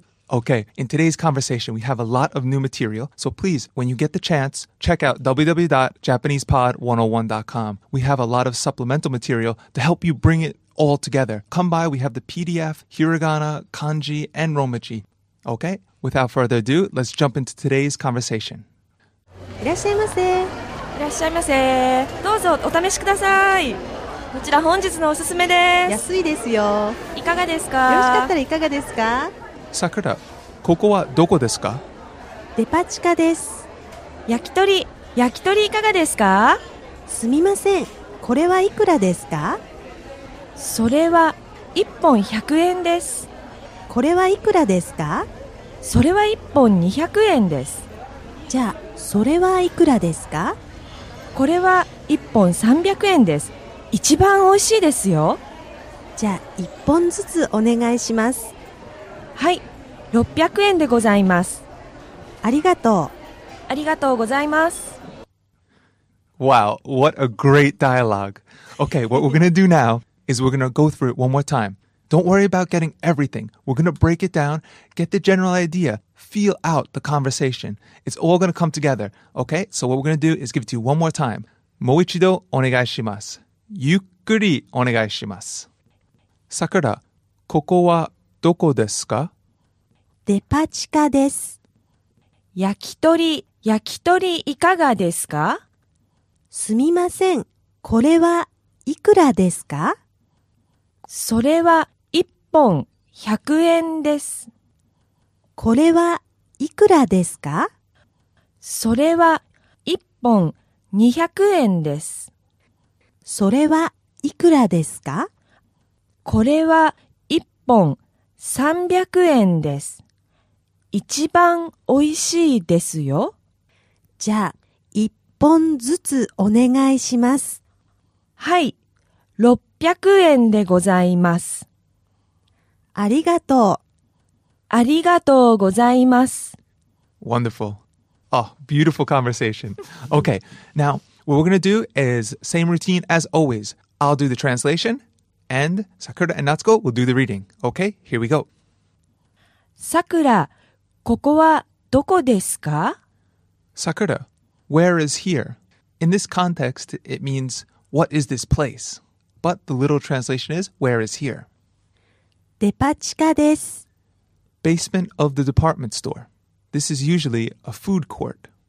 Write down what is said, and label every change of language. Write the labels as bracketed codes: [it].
[en] Okay, in today's conversation, we have a lot of new material. So please, when you get the chance, check out www.japanesepod101.com. We have a lot of supplemental material to help you bring it all together. Come by, we have the PDF, hiragana, kanji, and romaji. Okay? Without further ado, let's jump into today's conversation. [ja] いらっしゃいませ。いらっしゃいませ。どうぞお試しください。こちら本日のおすすめです。安いですよ。いかがですか? よろしかったらいかがですか? さくら、ここはどこですか? デパ地下です。焼き鳥いかがですか? すみません。これはいくらですか? それは1本100円です。これはいくらですか? それは1本200円です。じゃあ、それはいくらですか? これは1本300円です。一番おいしいですよ。じゃあ、1本ずつお願いします。はい、600円でございます。ありがとう。ありがとうございます。 [en] Wow, what a great dialogue. Okay, what we're gonna do now... is we're going to go through it one more time. Don't worry about getting everything. We're going to break it down, get the general idea, feel out the conversation. It's all going to come together, okay? So what we're going to do is give it to you one more time. [ja] もう一度お願いします。ゆっくりお願いします。さくら、ここはどこですか? デパ地下です。焼き鳥いかがですか? すみません。これはいくらですか? それは1本100円です。これはいくらですか? それは1本200円です。それはいくらですか? これは1本300円です。一番おいしいですよ。じゃあ、1本ずつお願いします。はい、600円でございます。ありがとう。ありがとうございます。 [en] Wonderful. Oh, beautiful conversation. Okay, now, what we're going to do is same routine as always. I'll do the translation, and Sakura and Natsuko will do the reading. Okay, here we go. [ja] Sakura, ここはどこですか? [en] Sakura, where is here? In this context, it means, what is this place? But the literal translation is, where is here? [ja] デパ地下です。 [en] Basement of the department store. This is usually a food court.